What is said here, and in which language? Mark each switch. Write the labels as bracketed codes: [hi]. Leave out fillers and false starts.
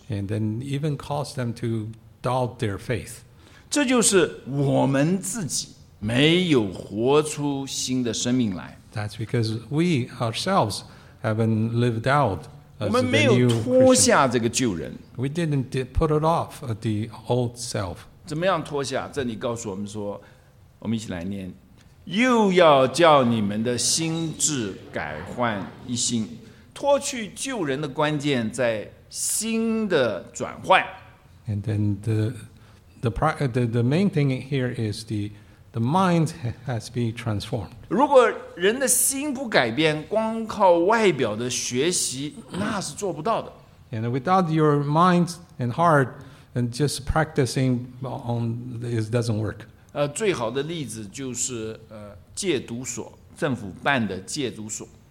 [en] And then even cause them to doubt their faith. [zh] 这就是我们自己没有活出新的生命来。 [en] That's because we ourselves haven't lived out as the new Christian. [zh] 我们没有脱下这个旧人。 [en] We didn't put it off the old self. [zh] 怎么样脱下？这里告诉我们说，我们一起来念。又要叫你们的心智改换一新，脱去旧人的关键在新的转换。 [en] And then the main thing here is the mind has been transformed. [zh] 如果人的心不改变，光靠外表的学习，那是做不到的。 [en] And without your mind and heart and just practicing on it doesn't work. [zh] 最好的例子就是戒毒所，政府办的戒毒所。